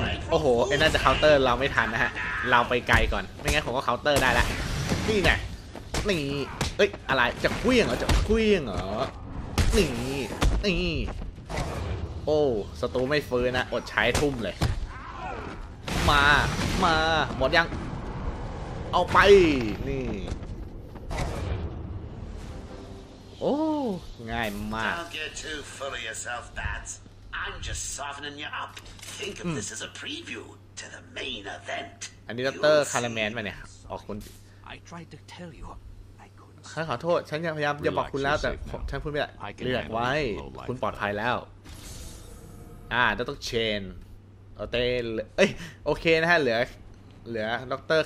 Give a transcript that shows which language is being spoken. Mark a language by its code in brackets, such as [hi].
[th] โอ้โหไอ้นั่นจะเคาน์เตอร์เราไม่ทันนะฮะเราไปไกลก่อนไม่งั้นผมก็เคาน์เตอร์ได้ละนี่เนี่ยนี่เอ้ยอะไรจะเควี้ยงเหรอจะเควี้ยงเหรอนี่โอ้ศัตรูไม่ฟื้นนะอดใช้ทุ่มเลยมาหมดยังเอาไปนี่โอ้ง่ายมาก [en] Don't get too full of yourself, Bats. I'm just softening you up. Think of this as a preview to the main event. [th] อันนี้ดร. คาร์เมนมาเนี่ยออกคุณ [en] I tried to tell you [th] ขอโทษฉันพยายามจะบอกคุณแล้วแต่ฉันพูดไม่ได้เลือกไว้คุณปลอดภัยแล้วดร.เชนโอเต้เอ้ยโอเคนะฮะเหลือดร.